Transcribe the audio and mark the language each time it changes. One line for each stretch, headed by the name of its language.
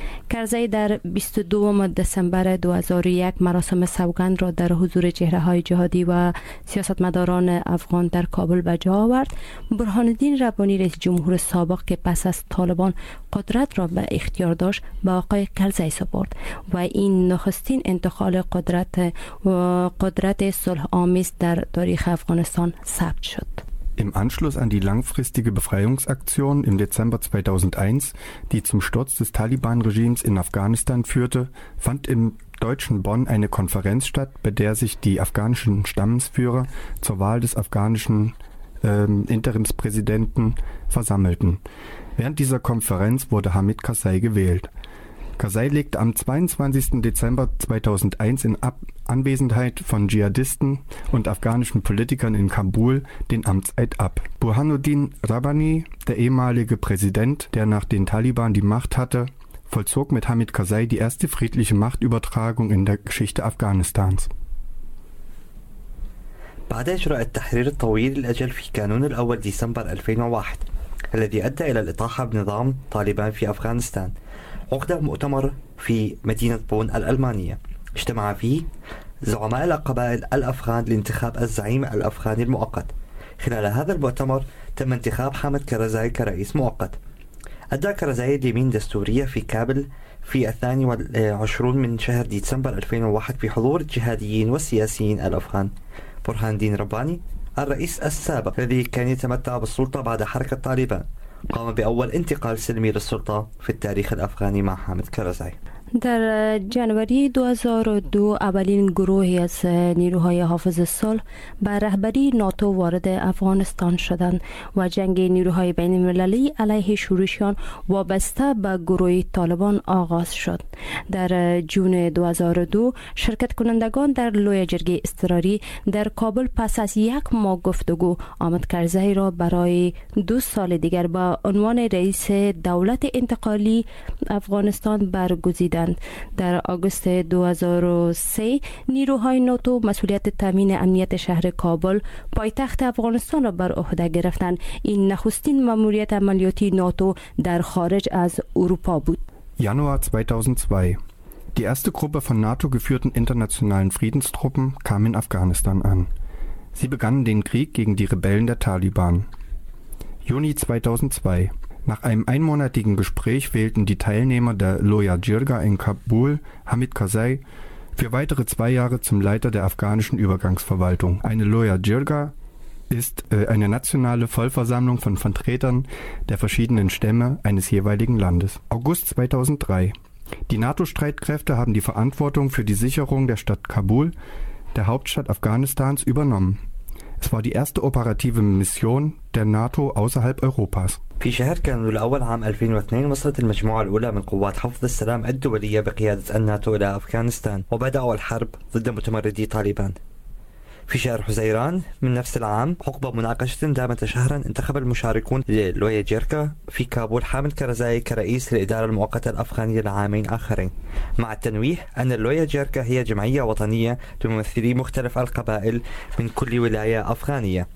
Persian: کرزی در 22 دسامبر 2001 مراسم سوگند را در حضور چهره های جهادی و سیاستمداران افغان در کابل به جا آورد. برهان الدین ربانی رئیس جمهور سابق که پس از طالبان قدرت را به اختیار داشت به آقای کرزی سپرد و این نخستین انتقال قدرت و قدرت صلح آمیز در تاریخ افغانستان ثبت شد.
German: Im Anschluss an die langfristige Befreiungsaktion im Dezember 2001, die zum Sturz des Taliban-Regimes in Afghanistan führte, fand im deutschen Bonn eine Konferenz statt, bei der sich die afghanischen Stammesführer zur Wahl des afghanischen Interimspräsidenten versammelten. Während dieser Konferenz wurde Hamid Karzai gewählt. Karzai legte am 22. Dezember 2001 in Anwesenheit von Dschihadisten und afghanischen Politikern in Kabul den Amtseid ab. Burhanuddin Rabbani, der ehemalige Präsident, der nach den Taliban die Macht hatte, vollzog mit Hamid Karzai die erste friedliche Machtübertragung in der Geschichte Afghanistans.
Arabic: بعد إجراء التحرير الطويل للأجل في كانون الأول ديسمبر 2001 الذي أدى إلى الإطاحة بنظام طالبان في أفغانستان، عقد مؤتمر في مدينة بون الألمانية. اجتمع فيه زعماء القبائل الأفغان لانتخاب الزعيم الأفغاني المؤقت. خلال هذا المؤتمر تم انتخاب حامد كرزاي كرئيس مؤقت. أدى كرزاي اليمين دستورية في كابل في 22 من شهر ديسمبر 2001 في حضور الجهاديين والسياسيين الأفغان. برهان الدين رباني الرئيس السابق الذي كان يتمتع بالسلطة بعد حركة طالبان قام بأول انتقال سلمي للسلطة في التاريخ الأفغاني مع حامد كرزاي.
Persian: در جنوری 2002 اولین گروهی از نیروهای حافظ صلح به رهبری ناتو وارد افغانستان شدند و جنگ نیروهای بین المللی علیه شورشیان وابسته به گروه طالبان آغاز شد. در جون 2002 شرکت کنندگان در لویجرگی استراری در کابل پس از یک ماه گفتگو آمد کرزهی را برای دو سال دیگر با عنوان رئیس دولت انتقالی افغانستان برگزید. در آگوست 2003 نیروهای ناتو مسئولیت تامین امنیت شهر کابل پایتخت افغانستان را بر عهده گرفتند. این نخستین ماموریت عملیاتی ناتو در خارج از اروپا بود.
German: Januar 2002. Die erste Gruppe von NATO geführten internationalen Friedenstruppen kam in Afghanistan an. Sie begannen den Krieg gegen die Rebellen der Taliban. Juni 2002. Nach einem einmonatigen Gespräch wählten die Teilnehmer der Loya Jirga in Kabul Hamid Karzai für weitere zwei Jahre zum Leiter der afghanischen Übergangsverwaltung. Eine Loya Jirga ist eine nationale Vollversammlung von Vertretern der verschiedenen Stämme eines jeweiligen Landes. August 2003. Die NATO-Streitkräfte haben die Verantwortung für die Sicherung der Stadt Kabul, der Hauptstadt Afghanistans, übernommen. Es war die erste operative Mission der NATO außerhalb Europas.
Arabic: في شهر كانون الأول عام 2002 وصلت المجموعة الأولى من قوات حفظ السلام الدولية بقيادة الناتو إلى أفغانستان وبدأوا الحرب ضد متمردي طالبان. في شهر حزيران من نفس العام عقب مناقشة دامت شهرا انتخب المشاركون للوية جيركا في كابول حامد كرزاي كرئيس الإدارة المؤقتة الأفغانية لعامين آخرين، مع التنويه أن اللوية جيركا هي جمعية وطنية تمثلي مختلف القبائل من كل ولاية أفغانية.